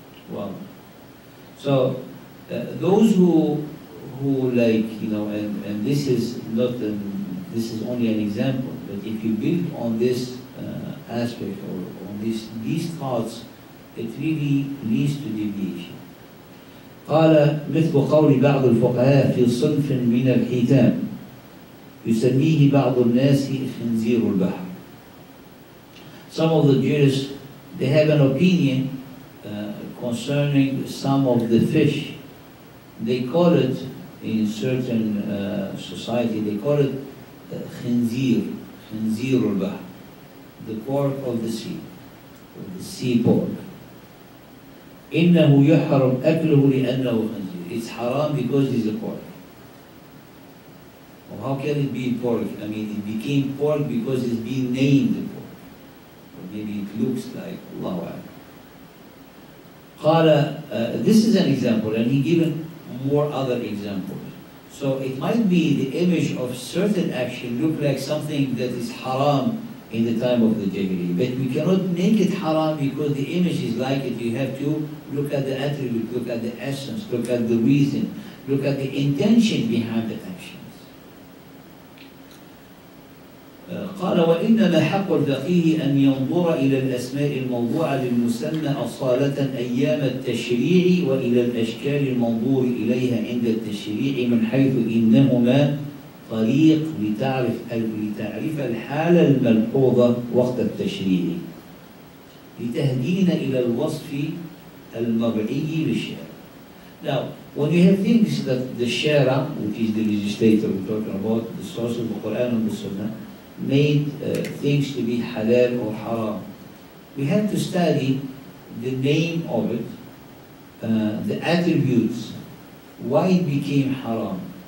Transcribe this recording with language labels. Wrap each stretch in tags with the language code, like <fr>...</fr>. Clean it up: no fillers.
<en>Well, so those who like, you know, and this is not, this is only an example, but if you build on this aspect or on this, these thoughts, it really leads to deviation.</en> <ar>قال مثل قول بعض الفقهاء في صنف من الحيتان يسميه بعض الناس خنزير البحر.</ar> <en>Some of the jurists, they have an opinion concerning some of the fish. They call it in certain society, they call it</en> <ar>خنزير, خنزير البحر,</ar> <en>the pork of the sea, or the sea pork.</en> <ar>إنه يحرم أكله لأنه خنزير.</ar> <en>It's haram because it's a pork. Well, how can it be pork? I mean, it became pork because it's been named pork. Or maybe it looks like, Allahu Akbar. قال, this is an example, and he given more other examples. So it might be the image of certain action look like something that is haram in the time of the Jahili, but we cannot make it haram because the image is like it. You have to look at the attribute, look at the essence, look at the reason, look at the intention behind the actions.</en> <ar>قال وإنما حق الفقيه أن ينظر إلى الأسماء الموضوعة للمسمى أصالة أيام التشريع وإلى الأشكال المنظور إليها عند التشريع من حيث إنهما طريق لتعرف الحالة الملحوظة وقت التشريع لتهدينا إلى الوصف المرعي للشارع.</ar> <en>Now, when you have things that the Shara, which is the legislator we're talking about, the source of the Quran and the Sunnah, made things to be halal or haram, we have to study the name of it, the attributes, why it became haram.</en>